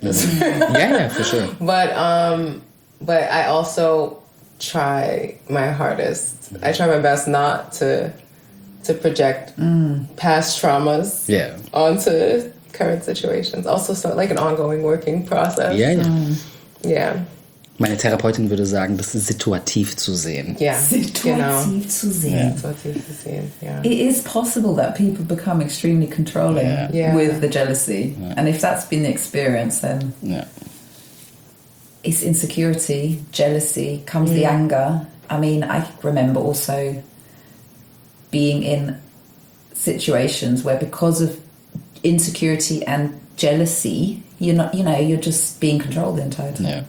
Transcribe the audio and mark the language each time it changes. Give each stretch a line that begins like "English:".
English: Mm-hmm. Yeah, for sure. But I also try my hardest. Mm-hmm. I try my best not to project past traumas onto current situations. Also, so like an ongoing working process. Yeah, yeah. Mm. Yeah.
German: Meine Therapeutin würde sagen, das situativ zu sehen.
English: Yeah.
German: Situativ zu sehen.
English: It is possible that people become extremely controlling with the jealousy. Yeah. And if that's been the experience, then it's insecurity, jealousy, comes the anger. I mean, I remember also being in situations where because of insecurity and jealousy, you're not, you know, you're just being controlled the entire time.